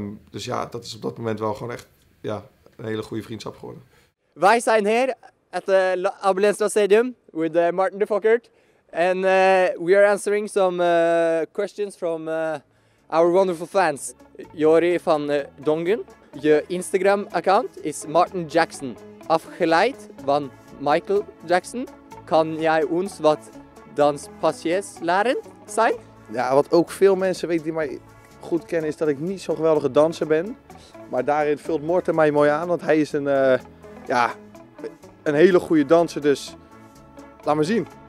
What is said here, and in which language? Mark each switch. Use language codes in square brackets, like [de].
[nl] Dus ja, dat is op dat moment wel gewoon echt ja, een hele goede vriendschap geworden. Wij zijn hier [en] at the Abelenstra Stadium with Martin de Fokkert. En we are answering some questions from our wonderful fans. [nl] Jori van Dongen, je Instagram-account is Martin Jackson. Afgeleid van Michael Jackson, kan jij ons wat danspasjes leren zijn? Ja, wat ook veel mensen weten die mij goed kennen is dat ik niet zo'n geweldige danser ben. Maar daarin vult Morten mij mooi aan, want hij is een hele goede danser, dus laat maar zien.